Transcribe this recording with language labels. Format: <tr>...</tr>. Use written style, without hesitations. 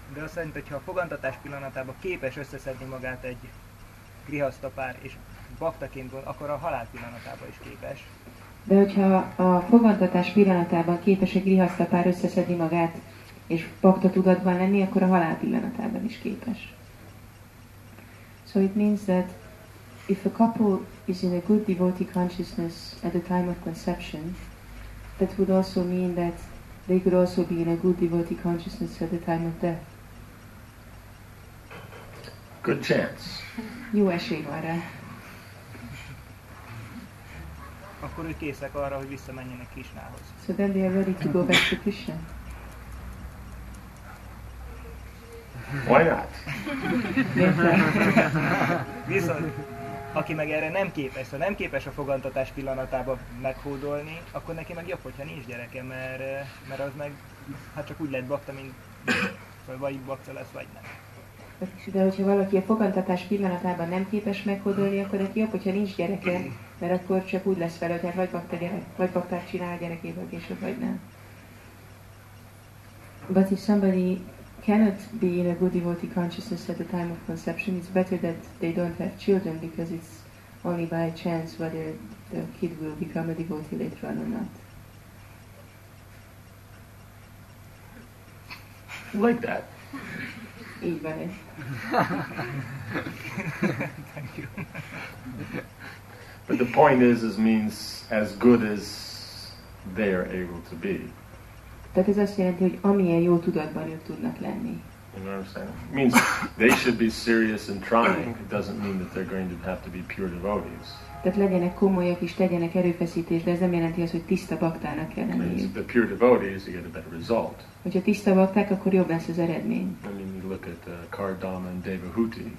<hu>De azt szerint, hogyha a fogantatás pillanatában képes összeszedni magát egy grihaszta pár, és baktaként van, akkor a halál pillanatában is képes. De hogyha a fogantatás pillanatában képes egy grihaszta pár összeszedni magát, és bakta tudatban lenni, akkor a halál pillanatában is képes.</hu> <en>So it means that if a couple is in a good devotee consciousness at the time of conception, that would also mean that they could also be in a good devotee consciousness at the time of death. Good chance.</en> <hu>Jó esély van rá. Akkor ők készek arra, hogy visszamenjenek Krisnához.</hu> <en>So then they are ready to go back to Krishna. Why not?</en> <hu>Viszont, aki meg erre nem képes, ha nem képes a fogantatás pillanatában meghódolni, akkor neki meg jobb, hogyha nincs gyereke, mert az meg, hát csak úgy lett bakta, mint vagy bakta lesz, vagy nem. De hogyha valaki a fogantatás pillanatában nem képes meghódolni, akkor neki jobb, hogyha nincs gyereke, mert akkor csak úgy lesz fel, hogy vagy bakta gyerek, vagy baktát csinál a gyerekéből később, vagy nem.</hu> <en>But if somebody cannot be in a good devotee consciousness at the time of conception, it's better that they don't have children, because it's only by chance whether the kid will become a devotee later on or not. Like that.</en> <hu>Így van ez.</hu> <en>Thank you. But the point is, it means as good as they are able to be.</en> <hu>Tehát ez azt jelenti, hogy amilyen jó tudatban ők tudnak lenni.</hu> <en>You know what I'm saying? It means they should be serious and trying. It doesn't mean that they're going to have to be pure devotees.</en> <hu>Tehát legyenek komolyak és tegyenek erőfeszítést, de ez nem jelenti azt, hogy tiszta baktának kell lenni.</hu> <en>The pure devotees, you get a better result.</en> <hu>Hogyha tiszta bakták, akkor jobb lesz az eredmény.</hu> <en>I mean, you look at Kardama and Devahuti.</en>